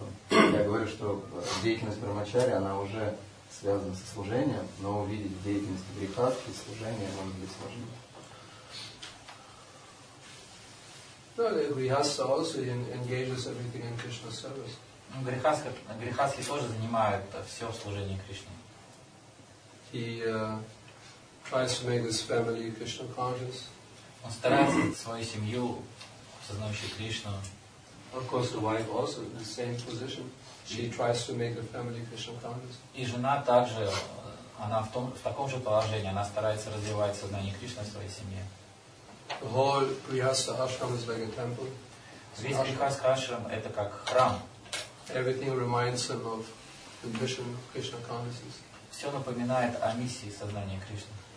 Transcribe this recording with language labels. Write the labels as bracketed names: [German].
[Russian] Я говорю, что деятельность брахмачари, она уже связана со служением, но увидеть деятельность грихасхи, служение, может быть сложнее. Грихасхи тоже занимает все в служении Кришне. [English] He tries to make his family Krishna conscious. [Russian] Он старается свою семью, сознающую Кришну. [English] Of course, the wife also in the same position. She tries to make the family Krishna conscious. [Russian] И жена также, она в таком же положении, она старается развивать сознание Кришны в своей семье. [English] The whole Grihastha ashram is like a temple. [Russian] Весь Грихастха ашрам это как храм. [English] Everything reminds him of the mission of Krishna consciousness. [Russian] Все напоминает о миссии сознания Кришны.